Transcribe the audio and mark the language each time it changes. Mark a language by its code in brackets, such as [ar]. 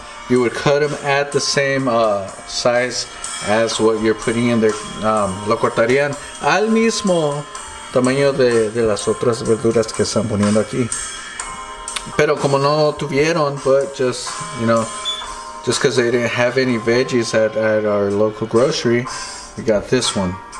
[en] You would cut them at the same size as what you're putting in there. [es] Lo cortarían al mismo tamaño de las otras verduras que están poniendo aquí. Pero como no tuvieron, [en] but just, you know, just because they didn't have any veggies at our local grocery, we got this one.